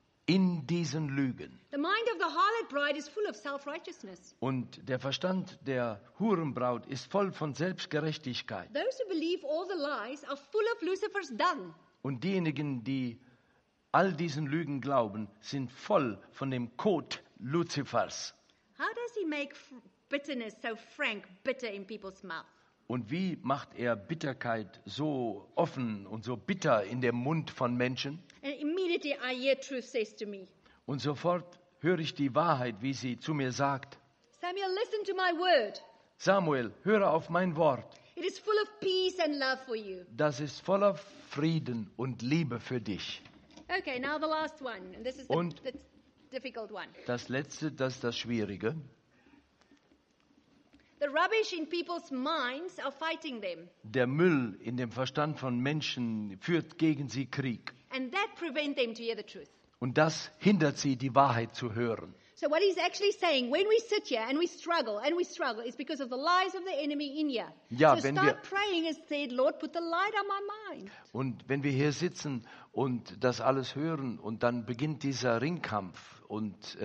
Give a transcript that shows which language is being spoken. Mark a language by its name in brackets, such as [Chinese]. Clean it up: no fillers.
[German] in diesen Lügen. [English] The mind of the harlot bride is full of self-righteousness. [German] Und der Verstand der Hurenbraut ist voll von Selbstgerechtigkeit. [English] Those who believe all the lies are full of Lucifer's dung. [German] Und diejenigen, die all diesen Lügen glauben, sind voll von dem Kot Luzifers. [English] How does he make bitterness so frank, bitter in people's mouth? [German] Und wie macht er Bitterkeit so offen und so bitter in dem Mund von Menschen? [English] And immediately I hear truth says to me. [German] Und sofort höre ich die Wahrheit, wie sie zu mir sagt. [English] Samuel, listen to my word. [German] Samuel, höre auf mein Wort. [English] It is full of peace and love for you. [German] Das ist voller Frieden und Liebe für dich. [English] Okay, now the last one. And this is the difficult one. [German] Das letzte, das ist das Schwierige. [English] The rubbish in people's minds are fighting them. [German] Der Müll in dem Verstand von Menschen führt gegen sie Krieg. [English] And that prevent them to hear the truth. [German] Und das hindert sie, die Wahrheit zu hören. [English] So what he's actually saying, when we sit here and we struggle, it's because of the lies of the enemy in here. [German] Ja, [English] so start praying and say, Lord, put the light on my mind. [German] Und wenn wir hier sitzen und das alles hören und dann beginnt dieser Ringkampf und